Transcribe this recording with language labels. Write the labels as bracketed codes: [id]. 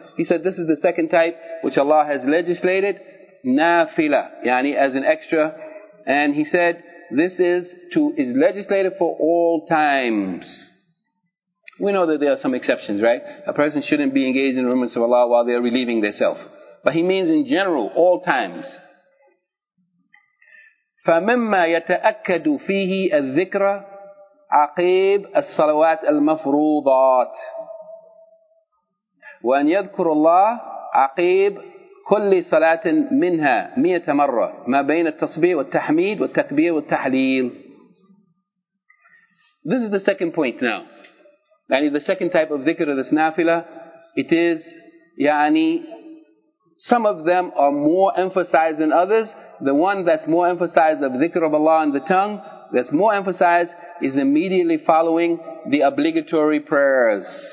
[en] He said this is the second type which Allah has legislated, nafila, yani as an extra. And he said, this is legislated for all times. We know that there are some exceptions, right? A person shouldn't be engaged in the remembrance of Allah while they are relieving themselves. But he means in general, all times. [ar] فَمِمَّا يَتَأَكَّدُ فِيهِ الذِّكْرَ عَقِيبَ الصَّلَوَاتِ الْمَفْرُوضَاتِ وَأَنْ يَذْكُرُ اللَّهِ عَقِيبَ كل صلاة منها 100 مرة ما بين التصبيح والتحميد والتكبير والتحليل. [en] This is the second point now. يعني the second type of dhikr of this nafila, it is يعني some of them are more emphasized than others. The one that's more emphasized of dhikr of Allah in the tongue, that's more emphasized is immediately following the obligatory prayers.